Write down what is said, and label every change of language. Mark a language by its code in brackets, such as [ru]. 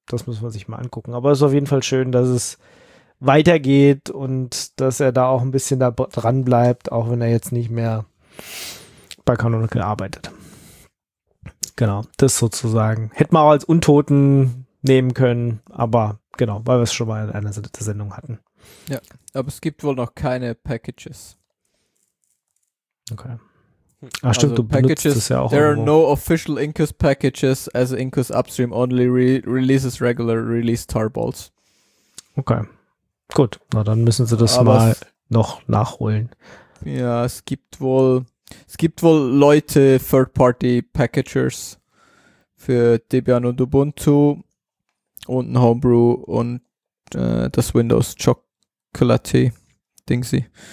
[de] Das müssen wir sich mal angucken, aber es ist auf jeden Fall schön, dass es weitergeht und dass er da auch ein bisschen da dran bleibt, auch wenn er jetzt nicht mehr bei Canonical arbeitet. Genau, das sozusagen. Hätte man auch als Untoten nehmen können, aber genau, weil wir es schon mal in einer Sendung hatten. Ja, aber es gibt wohl noch keine Packages. Okay. Ach stimmt, also du Packages, benutzt es ja auch. [en] There are no official Incus Packages, as Incus Upstream only releases regular release tarballs. [de] Okay. Gut, na dann müssen sie das mal noch nachholen. Ja, es gibt wohl Leute, Third-Party-Packagers für Debian und Ubuntu und ein Homebrew und das Windows Chocolaty Dingsy.